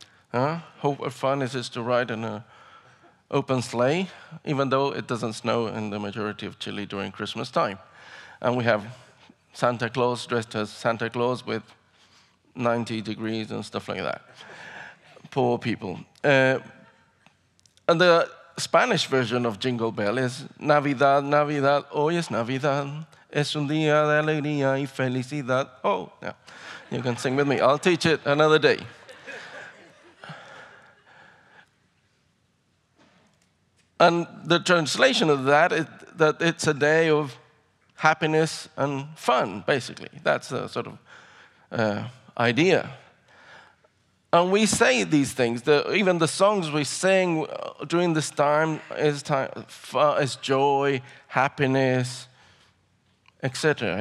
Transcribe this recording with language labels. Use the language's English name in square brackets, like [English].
[English] What fun is it to ride in an open sleigh, even though it doesn't snow in the majority of Chile during Christmas time. And we have Santa Claus dressed as Santa Claus with 90 degrees and stuff like that. Poor people. And the Spanish version of Jingle Bell is [Spanish] Navidad, Navidad, hoy es Navidad, es un día de alegría y felicidad. [English] Oh, yeah, you can sing with me. I'll teach it another day. And the translation of that is that it's a day of happiness and fun, basically. That's the sort of idea. And we say these things, even the songs we sing during this time is joy, happiness, etc.